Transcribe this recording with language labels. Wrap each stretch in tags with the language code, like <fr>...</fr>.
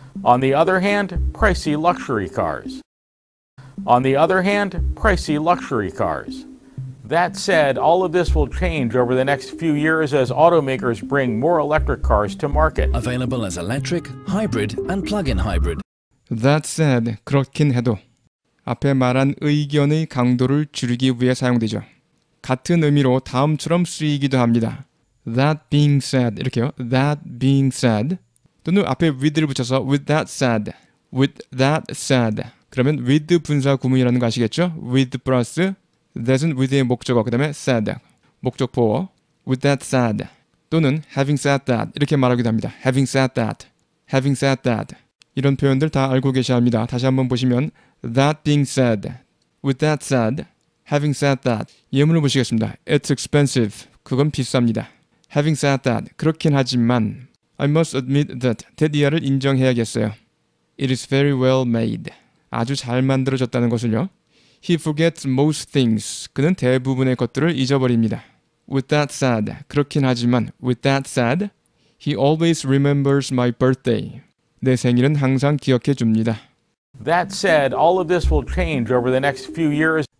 <en>On the other hand, pricey luxury cars. On the other hand, pricey luxury cars. That said, all of this will change over the next few years as automakers bring more electric cars to market. Available as electric, hybrid, and plug-in hybrid.</en> <ko>That said, 그렇긴 해도. 앞에 말한 의견의 강도를 줄이기 위해 사용되죠. 같은 의미로 다음처럼 쓰이기도 합니다. That being said, 이렇게요. That being said, 또는 앞에 with를 붙여서 with that said, with that said. 그러면 with 분사 구문이라는 거 아시겠죠? With plus that은 with의 목적어, 그 다음에 said, 목적보어, with that said, 또는 having said that, 이렇게 말하기도 합니다.</ko> <en>Having said that, having said that.</en> <ko>이런 표현들 다 알고 계셔야 합니다. 다시 한번 보시면 That being said, with that said, having said that, 예문을 보시겠습니다.</ko> <en>It's expensive.</en> <ko>그건 비쌉니다. Having said that, 그렇긴 하지만,</ko> <en>I must admit that,</en> <ko>대디아를 인정해야겠어요.</ko> <en>It is very well made.</en> <ko>아주 잘 만들어졌다는 것을요.</ko> <en>He forgets most things.</en> <ko>그는 대부분의 것들을 잊어버립니다.</ko> <en>With that said,</en> <ko>그렇긴 하지만,</ko> <en>with that said, he always remembers my birthday.</en> <ko>내 생일은 항상 기억해 줍니다.</ko> <en>That said, all of this will change over the next few years.</en>